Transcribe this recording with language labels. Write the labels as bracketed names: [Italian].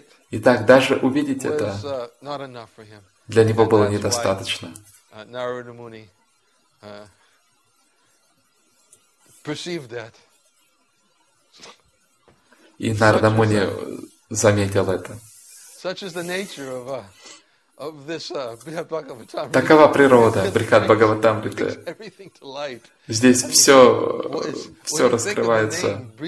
[Russian] Итак, даже увидеть это для него было недостаточно. [English] Нарада Муни perceived that. [Russian] И Нарада Муни заметил это. [English] Such is the nature of this Brihat Bhagavatamrita. [Russian] Такова природа Брихат Бхагаватамрита. Здесь все раскрывается.